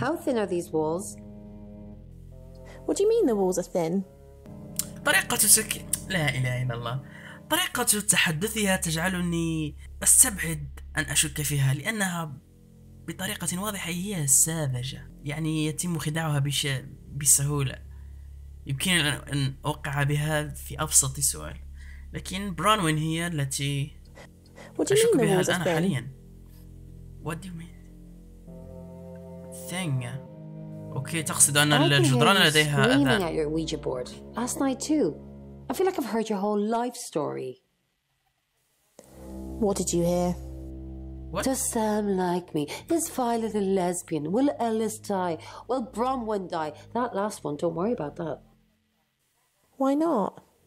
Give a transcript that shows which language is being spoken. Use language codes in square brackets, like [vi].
[en] How thin are these walls? What do you mean the walls are thin? [ar] طريقة لا إله إلا الله. طريقة تحدثها تجعلني أستبعد أن أشك فيها، لأنها بطريقة واضحة هي ساذجة، يعني يتم خداعها بسهولة. يمكن أن أوقع بها في أبسط سؤال، لكن برانوين هي التي أشك بها الآن حاليا. [en] What do you mean? Thing. [ar] أوكي، تقصد أن الجدران لديها أذان. [en] Last night too. I feel like I've heard your whole life story. What did you hear? What? Does Sam like me? Is Violet a lesbian? Will Ellis die? Will Bronwyn die? That last one, don't worry about that. Why not?